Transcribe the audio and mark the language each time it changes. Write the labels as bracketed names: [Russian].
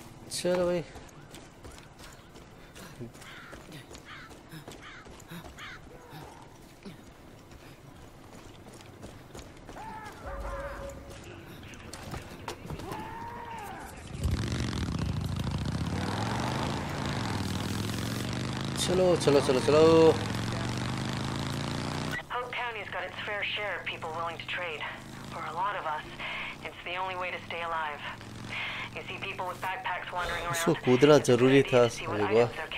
[Hindi] चलो भाई चलो चलो चलो चलो [English] Hope County's got its fair share of people willing to trade. For a lot of us, it's the only way to stay alive. You see people with backpacks wandering around. [Hindi] सो कूदना जरूरी था सही बात